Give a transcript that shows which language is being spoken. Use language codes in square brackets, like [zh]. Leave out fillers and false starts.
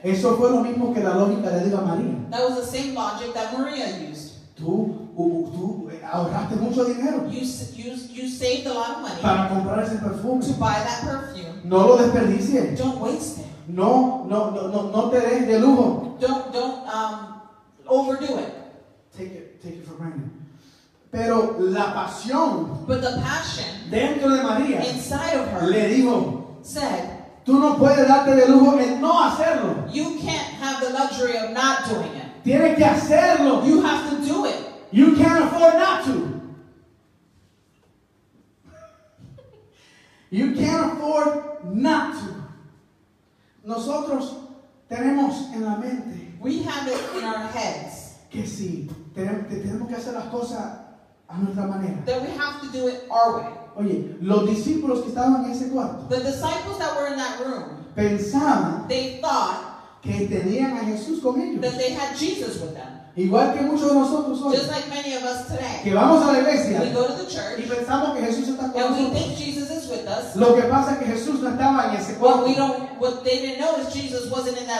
[es] Eso fue lo mismo que la lógica de la María. [en] That was the same logic that Maria used. [es] Tú ahorraste mucho dinero. [en] You saved a lot of money. [es] Para comprar ese perfume. [en] To buy that perfume. [es] No lo desperdicies. [en] Don't waste it. [es] No te dejes de lujo. [en] Don't overdo it. Take it for granted. [es] Pero la pasión. [en] But the passion. [es] Dentro de María. [en] Inside of her. [es] Le dijo. [en] Said, [es] Tú no puedes darte de lujo en no hacerlo. [en] You can't have the luxury of not doing it. [es] Tienes que hacerlo. [en] You have to do it. You can't afford not to. You can't afford not to. [es] Nosotros tenemos en la mente. [en] We have it in our heads. [es] Que sí, tenemos que hacer las cosas a nuestra manera. [en] That we have to do it our way. [es] Oye, los discípulos que estaban en ese cuarto. [en] The disciples that were in that room. [es] Pensaban. [en] They thought. [es] Que tenían a Jesús con ellos. [en] That they had Jesus with them. [es] Igual que muchos de nosotros hoy. [en] Just like many of us today. [es] Que vamos a la iglesia. [en] We go to the church. [es] Y pensamos que Jesús está con nosotros. [en] And we think Jesus is with us. [es] Lo que pasa es que Jesús no estaba en ese cuarto. [en] What they didn't know is Jesus wasn't in that